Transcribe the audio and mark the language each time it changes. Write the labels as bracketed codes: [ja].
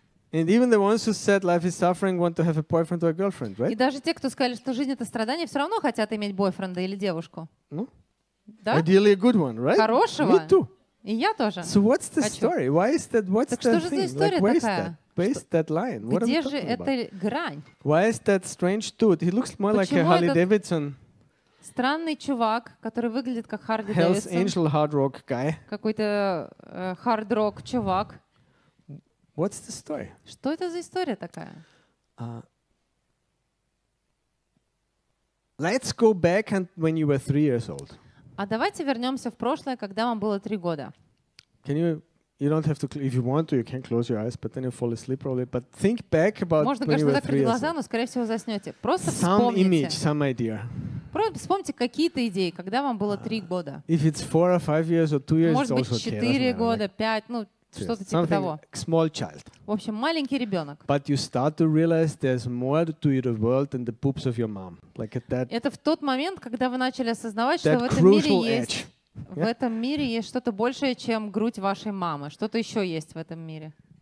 [en] And even the ones who said life is suffering want to have a boyfriend or a girlfriend, right? [ru] И даже те, кто сказали, что жизнь — это страдание, все равно хотят иметь бойфренда или девушку. Ну, да? [en] Ideally a good one, right? [ru] Хорошего. [en] Me too. [ru] И я тоже. [en] So what's the story? Why is that? What's the thing? [ru] Так что же за история такая? [en] Based that line. What [ru] где же эта грань? [en] Why is that strange dude? He looks more like a Harley Davidson. [ru] Странный чувак, который выглядит как Харли Дэвидсон. [en] Hell's Angel hard rock guy. [ru] Какой-то hard rock чувак. [en] What's the story? [ru] Что это за история такая? [en] Let's go back and when you were 3 years old. [ru] А давайте вернемся в прошлое, когда вам было 3 года. [en] Can you? You don't have to. If you want to, you can close your eyes, but then you fall asleep probably. But think back about. [ru] Можно, конечно, закрыть глаза, но скорее всего заснете. Просто вспомните. [en] Some image, some idea. [ru] Просто вспомните какие-то идеи, когда вам было 3 года. [en] If it's 4 or 5 years or 2 years, [ru] может быть, 4 года, 5, ну что-то типа того. [en] Small child. [ru] В общем, маленький ребенок. [en] But you start to realize there's more to the world than the poops of your mom, like at that. [ru] Это в тот момент, когда вы начали осознавать, что в этом мире есть. В этом мире есть что-то большее, чем грудь вашей мамы. Что-то еще есть в этом мире.